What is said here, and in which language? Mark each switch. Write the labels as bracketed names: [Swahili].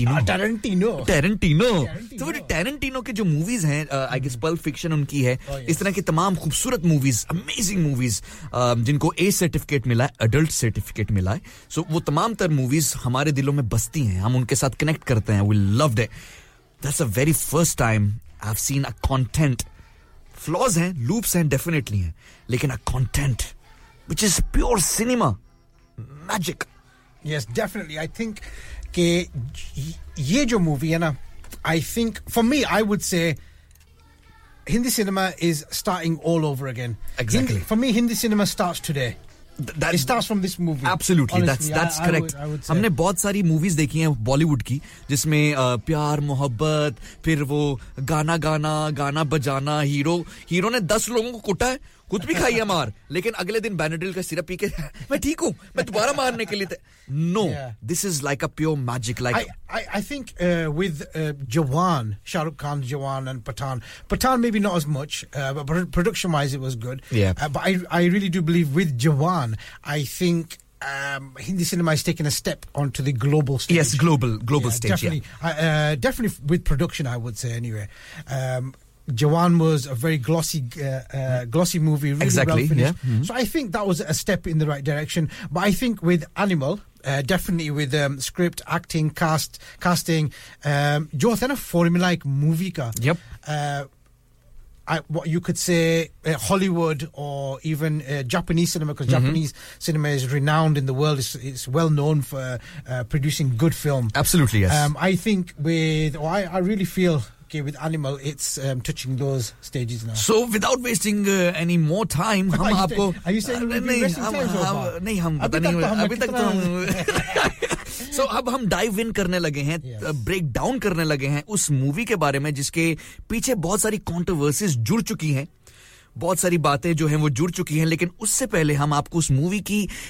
[Hindi] Tarantino के जो movies हैं [English] I guess [Hindi] पल्प फिक्शन उनकी है इस तरह की तमाम खूबसूरत मूवीज अमेजिंग मूवीज जिनको ए सर्टिफिकेट मिला है एडल्ट सर्टिफिकेट मिला है सो वो तमाम तर मूवीज हमारे दिलों में बसती हैं हम उनके साथ कनेक्ट करते हैं [English] we loved it that's a very first time I have seen a content flaws [Hindi] हैं लूप्स हैं डेफिनेटली हैं लेकिन [English] a content which is pure cinema magic yes definitely I think [Hindi] के ये जो मूवी है ना [English] I think for me I would say Hindi cinema is starting all over again. Exactly. For me, Hindi cinema starts today. It starts from this movie. Absolutely. Honestly, that's correct. [Hindi] हमने बहुत सारी movies देखी हैं Bollywood की जिसमें प्यार मोहब्बत फिर वो गाना गाना गाना बजाना hero ने 10 लोगों को कुटा है खुद भी खाई है मार लेकिन अगले दिन Benadryl का सिरप पी के मैं ठीक हूँ मैं दोबारा मारने के लिए [English] no yeah. This is like a pure magic like I think with Jawan Shahrukh Khan Jawan and Pathan maybe not as much but production wise it was good yeah but I really do believe with Jawan I think Hindi cinema is taking a step onto the global stage. Yes, global yeah, stage definitely yeah. Definitely with production I would say anyway Jawan was a very glossy glossy movie, really exactly, well finished. Yeah. Mm-hmm. So I think that was a step in the right direction. But I think with Animal, definitely with script, acting, casting, [Hindi] jo thena formula ek movie ka. [English] Yep. What you could say Hollywood or even Japanese cinema, because mm-hmm. Japanese cinema is renowned in the world. It's well known for producing good film. Absolutely, yes. I really feel... with Animal it's touching those stages now so without wasting any more time [Hindi] hum aapko [English] are you saying [Hindi] nahi hum pata nahi abhi tak to hum so ab hum dive in karne lage hain break down karne lage hain us movie ke bare mein jiske piche bahut sari controversies jud chuki hain बहुत सारी बातें जो हैं वो जुड़ चुकी हैं लेकिन उससे पहले हम आपको उस मूवी की